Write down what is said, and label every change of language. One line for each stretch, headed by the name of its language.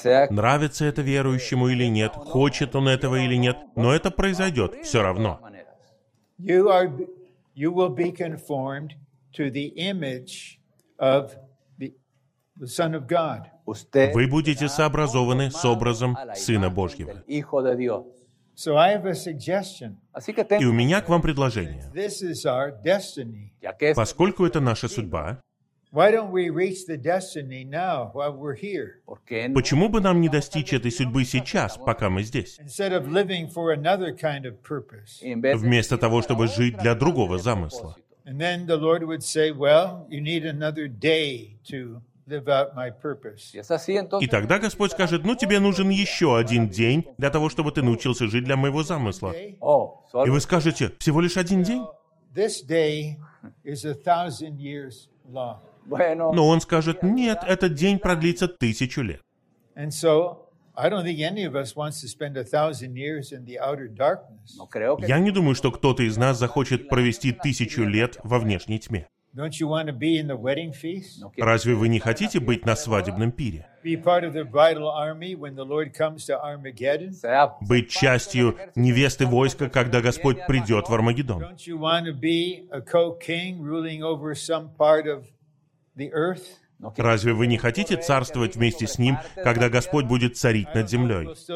Russian: Нравится это верующему или нет, хочет он этого или нет, но это произойдет все равно.
English: You will be conformed to the image of the Son of God.
Russian: Вы будете сообразованы с образом Сына Божьего.
English: So I have a suggestion.
Russian: И у меня к вам предложение.
English: This is our destiny.
Russian: Поскольку это наша судьба,
English: why don't we reach the destiny now while we're here?
Russian: Почему бы нам не достичь этой судьбы сейчас, пока мы здесь?
English: Instead of living for another kind of purpose.
Russian: Вместо того, чтобы жить для другого замысла.
English: And then the Lord would say, well, you need another day to live out my purpose.
Russian: И тогда Господь скажет, ну, тебе нужен еще один день для того, чтобы ты научился жить для моего замысла. И вы скажете, всего лишь один день?
English: This day is 1,000 years long.
Russian: Но он скажет, нет, этот день продлится 1,000 лет.
English: And so, I don't think any of us wants to spend 1,000 years in the outer darkness.
Russian: Я не думаю, что кто-то из нас захочет провести 1,000 лет во внешней тьме.
English: Don't you want to be in the wedding feast?
Russian: Разве вы не хотите быть на свадебном пире?
English: Be part of the bridal army when the Lord comes to Armageddon.
Russian: Быть частью невесты войска, когда Господь придет в Армагеддон.
English: Don't you want to be a co-king ruling over some part of the earth?
Russian: Разве вы не хотите царствовать вместе с Ним, когда Господь будет царить над землей?